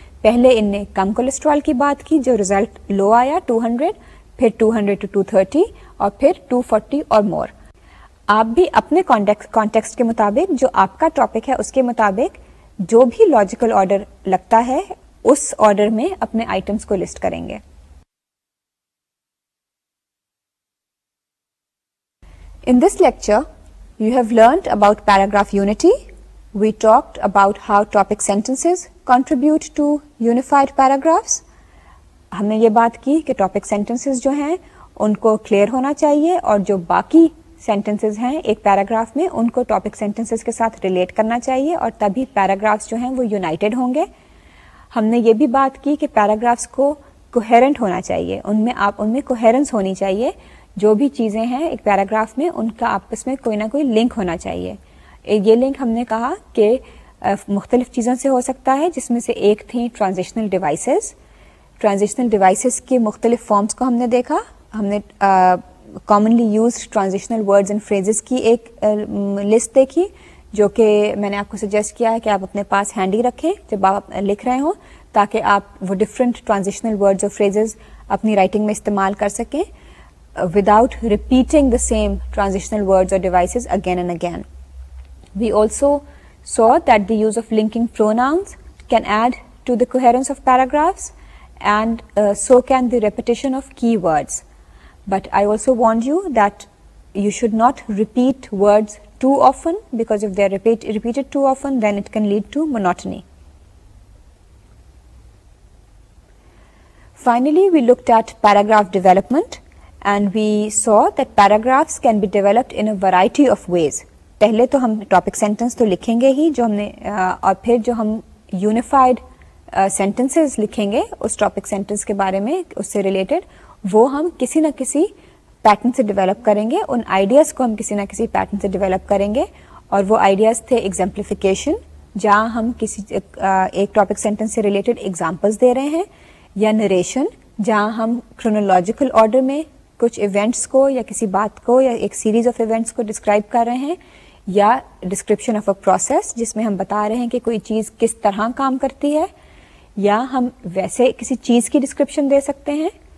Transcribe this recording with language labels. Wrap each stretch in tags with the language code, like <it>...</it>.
<hi>पहले इनने कम कोलेस्ट्रॉल की बात की, जो रिजल्ट लो आया 200, फिर 200 टू 230 और फिर 240 और मोर. आप भी अपने कॉन्टेक्स्ट के मुताबिक, जो आपका टॉपिक है उसके मुताबिक, जो भी लॉजिकल ऑर्डर लगता है उस ऑर्डर में अपने आइटम्स को लिस्ट करेंगे.</hi> <en>In this lecture, you have learned about paragraph unity. We talked about how topic sentences contribute to unified paragraphs.</en> <hi>हमने ये बात की कि topic sentences जो हैं उनको clear होना चाहिए, और जो बाकी sentences हैं एक paragraph में उनको topic sentences के साथ relate करना चाहिए, और तभी paragraphs जो हैं वो united होंगे. हमने ये भी बात की कि paragraphs को coherent होना चाहिए, उनमें coherence होनी चाहिए. जो भी चीज़ें हैं एक पैराग्राफ में उनका आपस में कोई ना कोई लिंक होना चाहिए. ये लिंक हमने कहा कि मुख्तलिफ चीज़ों से हो सकता है, जिसमें से एक थी ट्रांजिशनल डिवाइसेस. ट्रांजिशनल डिवाइसेस के मुख्तलिफ फॉर्म्स को हमने देखा. हमने commonly used transitional words and phrases की एक लिस्ट देखी, जो कि मैंने आपको सजेस्ट किया है कि आप अपने पास हैंडी रखें जब आप लिख रहे हों, ताकि आप वो डिफरेंट ट्रांजिशनल वर्ड्स और फ्रेजेस अपनी राइटिंग में इस्तेमाल कर सकें</hi> <en>without repeating the same transitional words or devices again and again. We also saw that the use of linking pronouns can add to the coherence of paragraphs, and so can the repetition of keywords. But I also warned you that you should not repeat words too often, because if they are repeated too often, then it can lead to monotony. Finally, we looked at paragraph development. And we saw that paragraphs can be developed in a variety of ways.</en> <hi>पहले तो हम topic sentence तो लिखेंगे ही, जो हमने और फिर जो हम यूनिफाइड सेंटेंसेस लिखेंगे उस टॉपिक सेंटेंस के बारे में, उससे रिलेटेड, वो हम किसी ना किसी पैटर्न से डिवेलप करेंगे. उन आइडियाज़ को हम किसी ना किसी पैटर्न से डिवेलप करेंगे, और वो आइडियाज़ थे एग्जाम्पलीफिकेशन, जहाँ हम किसी एक टॉपिक सेंटेंस से रिलेटेड एग्जाम्पल्स दे रहे हैं, या नरेशन, जहाँ हम क्रोनोलॉजिकल ऑर्डर में कुछ इवेंट्स को या किसी बात को या एक सीरीज ऑफ इवेंट्स को डिस्क्राइब कर रहे हैं, या डिस्क्रिप्शन ऑफ अ प्रोसेस, जिसमें हम बता रहे हैं कि कोई चीज़ किस तरह काम करती है, या हम वैसे किसी चीज़ की डिस्क्रिप्शन दे सकते हैं.</hi>